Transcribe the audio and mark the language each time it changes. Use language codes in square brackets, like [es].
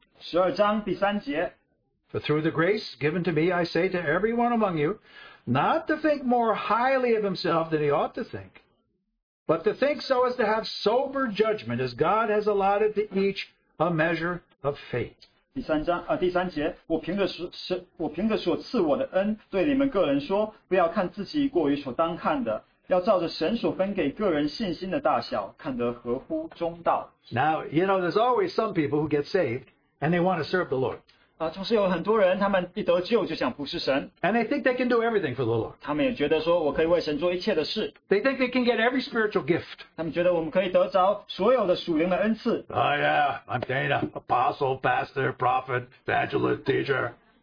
[zh] 12章第三节, [en] for through the grace given to me, I say to everyone among you, not to think more highly of himself than he ought to think, but to think so as to have sober judgment as God has allotted to each a measure of faith. [zh] 第三节, 要照着神所分给个人信心的大小,看得合乎中道。 [en] Now, you know, there's always some people who get saved and they want to serve the Lord. [zh] 总是有很多人,他们一得救就想服侍神。 [en] And they think they can do everything for the Lord. [zh] 他们也觉得说我可以为神做一切的事。 [en] They think they can get every spiritual gift. [zh] 他们觉得我们可以得着所有的属灵的恩赐。 [en] Oh yeah, I'm Dana, apostle, pastor, prophet, evangelist, teacher.